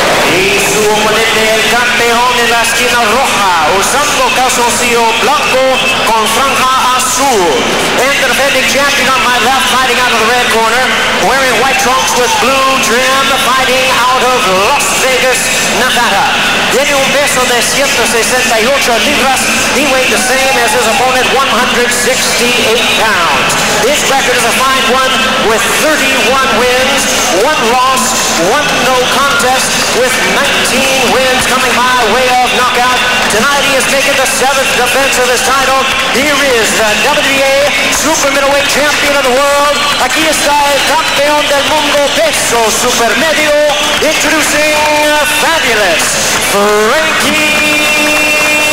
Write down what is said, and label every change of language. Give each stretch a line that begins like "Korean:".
Spanish: Y su oponente, el campeón en la esquina roja, usando calzoncillo blanco con franja azul.
English: And the defending champion on my left, fighting out of the red corner, wearing white trunks with blue trim, fighting out of Las Vegas, Nevada.
Spanish: Tiene un peso de 168 libras.
English: He weighed the same as his opponent, 168 pounds. His record is a fine one with 31 wins, 1 loss, 1 no contest, with 19 wins coming by way of knockout. Tonight he has taken the 7th defense of his title. Here is the WBA super middleweight champion of the world.
Spanish: Aquí está el campeón del mundo peso super medio, introducing Fabulous Frankie Liles.